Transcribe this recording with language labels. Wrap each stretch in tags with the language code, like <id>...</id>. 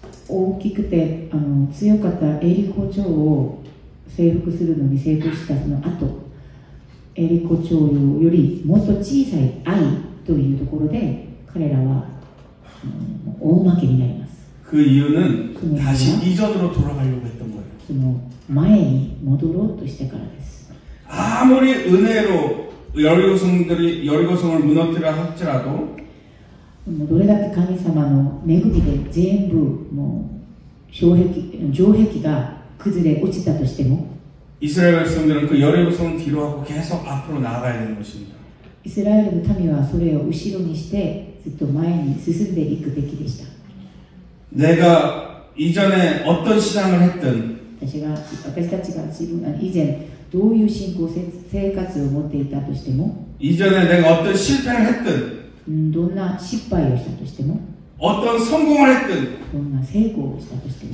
<ja>大きくて強かったエリコ城を征服するのに成功したその後エリコ城よりもっと小さいアイというところで彼らは大負けになります。</ja> <ko>그이유는다시이전으로돌아가려고했던거예요</ko> <ja>その前に戻ろうとしてからです。</ja> <ko>아무리은혜로여리고성들이여리고성을무너뜨려할지라도</ko> <ja>뭐どれだけ神様の恵みで全部もう城壁が崩れ落ちたとしても</ja> <ko>이스라엘백성들은그여리고성을뒤로하고계속앞으로나아가야되는것입니다</ko> <ja>이스라엘의民はそれを後ろにしてずっと前に進んでいくべきでした。</ja> <ko>내가이전에어떤신앙을했든</ko> <ja>私たちが自分が以前どういう信仰生活を持っていたとしても</ja> <ko>이전에내가어떤실패를했든</ko> <ja>どんな失敗をしたとしても</ja> <ko>어떤성공을했든</ko> <ja>どんな成功をしたとしても</ja>